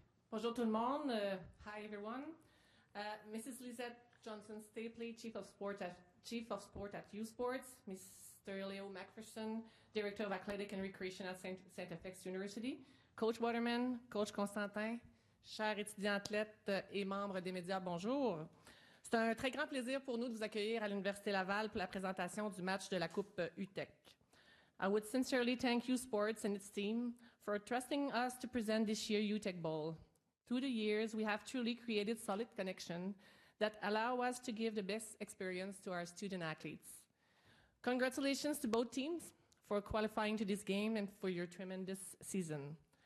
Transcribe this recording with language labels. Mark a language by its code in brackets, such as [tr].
[fr] Bonjour tout le monde. [en] Hi everyone. [fr] Mrs. [en] Lisette Johnson Stapley, Chief of Sport at U Sports. Mr. Leo McPherson, Director of Athletic and Recreation at St. FX University. [fr] Coach Waterman, Coach Constantin, chers étudiants athlètes et membres des médias, bonjour. C'est un très grand plaisir pour nous de vous accueillir à l'Université Laval pour la présentation du match de la Coupe Uteck. [en] I would sincerely thank U Sports and its team for trusting us to present this year's Uteck Bowl. Through the years, we have truly created solid connections that allow us to give the best experience to our student athletes. Congratulations to both teams for qualifying to this game and for your tremendous season.